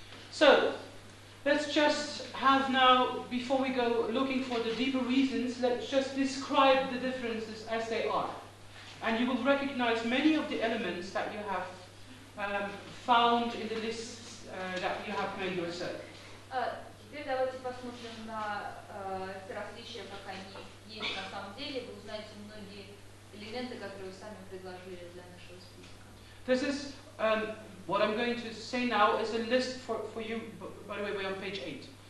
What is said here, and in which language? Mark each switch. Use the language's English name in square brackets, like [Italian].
[English] So, let's just have now, before we go looking for the deeper reasons, let's just describe the differences as they are. And you will recognize many of the elements that you have found in the lists that you have made yourself. [Russian] Теперь давайте посмотрим на те различия, как они есть на самом деле. Вы узнаете многие элементы, которые вы сами предложили для нашего списка. [English] This is what I'm going to say now is a list for you, by the way, we're on page 8.